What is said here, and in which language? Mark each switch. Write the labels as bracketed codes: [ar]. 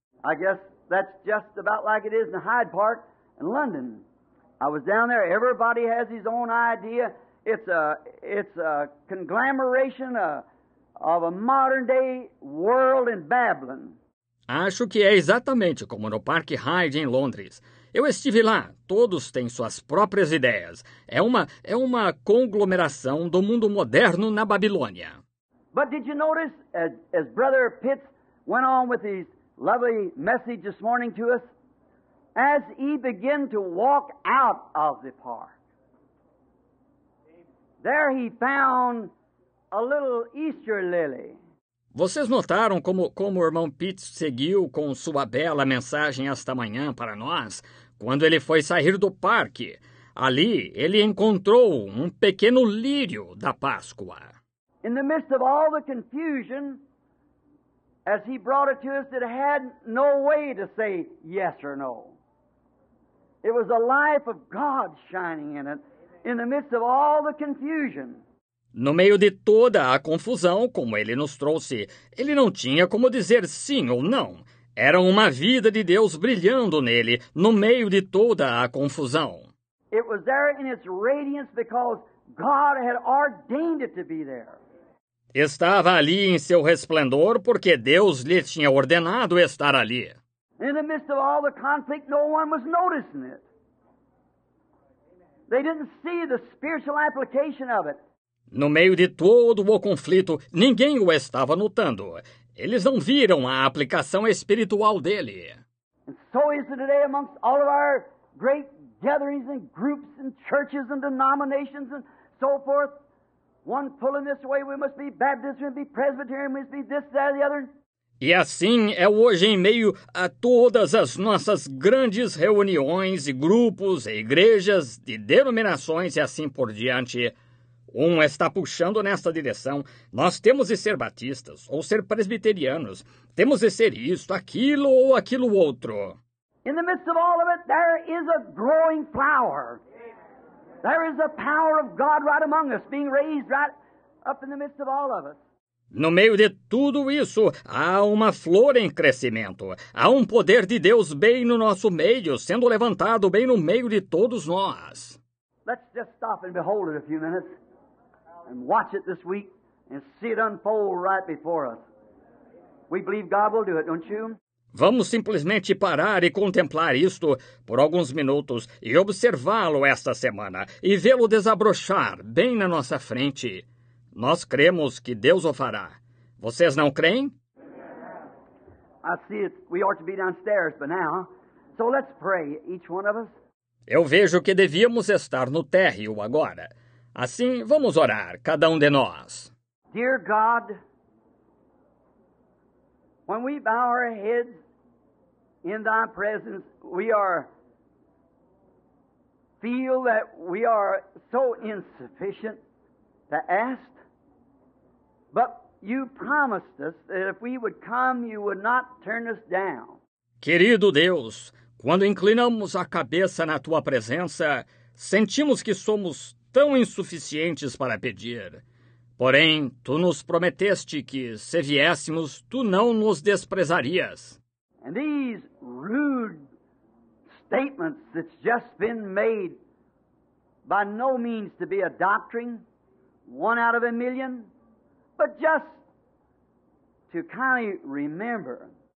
[en] I guess that's just about like it is in Hyde Park in London. I was down there, everybody has his own idea. It's a conglomeration of a modern-day world in Babylon. [pt] Acho que é exatamente como no Parque Hyde em Londres. Eu estive lá. Todos têm suas próprias ideias. É uma conglomeração do mundo moderno na Babilônia. [en] But did you notice, as Brother Pitts went on with his lovely message this morning to us. As he began to walk out of the park, there he found a little Easter lily. [pt] Vocês notaram como o irmão Pete seguiu com sua bela mensagem esta manhã para nós? Quando ele foi sair do parque, ali ele encontrou um pequeno lírio da Páscoa. [en] In the midst of all the confusion, as he brought it to us, it had no way to say yes or no. It was the life of God shining in it, in the midst of all the confusion. [pt] No meio de toda a confusão, como ele nos trouxe, ele não tinha como dizer sim ou não. Era uma vida de Deus brilhando nele, no meio de toda a confusão. [en] It was there in its radiance because God had ordained it to be there. [pt] Estava ali em seu resplendor porque Deus lhe tinha ordenado estar ali. [en] In the midst of all the conflict, no one was noticing it. They didn't see the spiritual application of it. [pt] No meio de todo o conflito, ninguém o estava notando. Eles não viram a aplicação espiritual dele. [en] And so is it today amongst all of our great gatherings and groups and churches and denominations and so forth. One pulling this way, we must be Baptist, we must be Presbyterian, we must be this, that, or the other. [pt] E assim é hoje em meio a todas as nossas grandes reuniões e grupos e igrejas de denominações e assim por diante. Um está puxando nesta direção. Nós temos de ser batistas ou ser presbiterianos. Temos de ser isto, aquilo ou aquilo outro. [en] In the midst of all of it, there is a growing flower. There is a power of God right among us, being raised right up in the midst of all of us. [pt] No meio de tudo isso, há uma flor em crescimento. Há um poder de Deus bem no nosso meio, sendo levantado bem no meio de todos nós. [en] Let's just stop and behold it a few minutes. And watch it this week and see it unfold right before us. We believe God will do it, don't you? [pt] Vamos simplesmente parar e contemplar isto por alguns minutos e observá-lo esta semana e vê-lo desabrochar bem na nossa frente. Nós cremos que Deus o fará. Vocês não creem? [en] I see it. We ought to be downstairs by now. So let's pray, each one of us. [pt] Eu vejo que devíamos estar no térreo agora. Assim, vamos orar, cada um de nós. [en] Dear God, when we bow our heads in thy presence, we are feel that we are so insufficient to ask. But you promised us that if we would come, you would not turn us down. [pt] Querido Deus, quando inclinamos a cabeça na tua presença, sentimos que somos tão insuficientes para pedir. Porém, tu nos prometeste que, se viéssemos, tu não nos desprezarias. [en] And these rude statements that's just been made by no means to be a doctrine, one out of a million, but just to kindly remember.